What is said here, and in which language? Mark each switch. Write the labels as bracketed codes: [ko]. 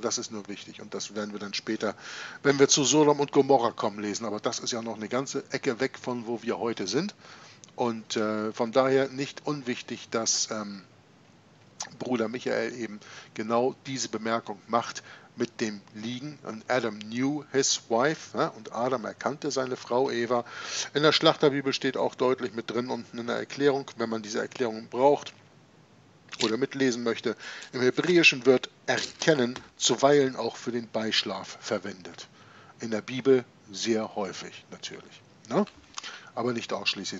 [de] Das ist nur wichtig und das werden wir dann später, wenn wir zu Sodom und Gomorra kommen, lesen. Aber das ist ja noch eine ganze Ecke weg von wo wir heute sind. Und von daher nicht unwichtig, dass Bruder Michael eben genau diese Bemerkung macht mit dem Liegen. [en] Und Adam knew his wife, ne? [de] Und Adam erkannte seine Frau Eva. In der Schlachterbibel steht auch deutlich mit drin unten in der Erklärung, wenn man diese Erklärung braucht oder mitlesen möchte. Im Hebräischen wird erkennen zuweilen auch für den Beischlaf verwendet. In der Bibel sehr häufig natürlich. Ne? Aber nicht ausschließlich.